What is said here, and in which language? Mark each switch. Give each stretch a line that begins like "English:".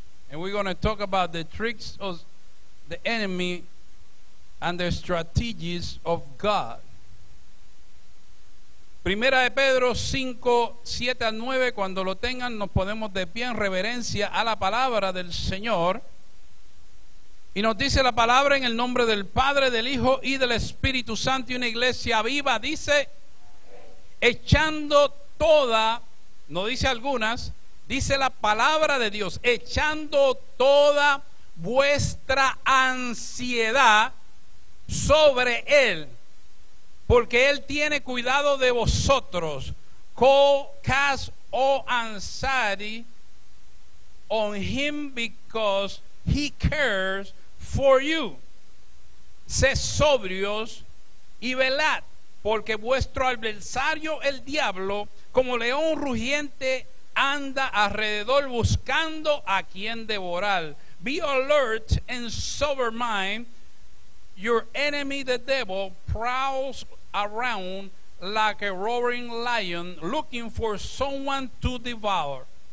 English: And we're going to talk about the tricks of the enemy and the strategies of God.
Spanish: Primera de Pedro 5, 7 al 9. Cuando lo tengan, nos ponemos de pie en reverencia a la palabra del Señor. Y nos dice la palabra: en el nombre del Padre, del Hijo y del Espíritu Santo, y una iglesia viva, dice, echando toda, no dice algunas, dice la palabra de Dios, echando toda vuestra ansiedad sobre Él, porque Él tiene cuidado de vosotros.
English: Cast all anxiety on Him because He cares for you.
Spanish: Sed sobrios y velad, porque vuestro adversario, el diablo, como león rugiente, anda alrededor buscando a quien devorar.
English: Be alert and sober mind. Your enemy, the devil, prowls around like a roaring lion looking for someone to devour.